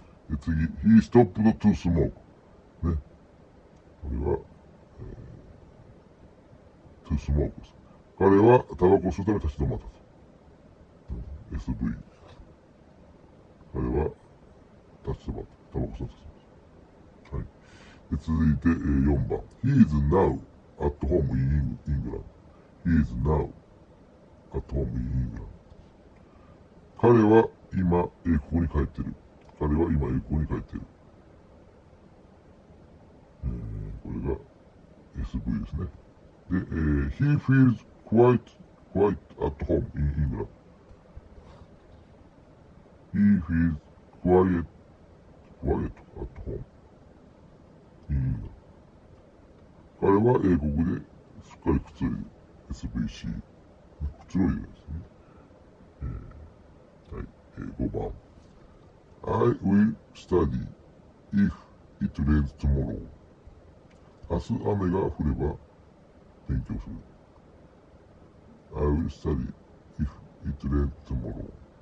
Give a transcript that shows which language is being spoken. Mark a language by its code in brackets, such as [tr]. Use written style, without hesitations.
[en] うん、で次、He stopped to smoke。 [ja] ね。これは、 [en] to smoke [ja] です。彼は、タバコを吸うため立ち止まった。 SV。 彼は、立ち止まった。タバコ吸ってます。はい。で、続いて、4番。 [en] He is now at home in England. He is now at home in England. [ja] 彼は今、英国に帰ってる。彼は今、英国に帰ってる。これが SV ですね。 [en] で、He feels quite at home in England. He feels quiet at home. [ja] いいな。彼は英国ですっかりくつろいで、SBC。くつろいでですね。はい、5番。 [en] I will study if it rains tomorrow. [ja] 明日雨が降れば勉強する。 [en] I will study if it rains tomorrow.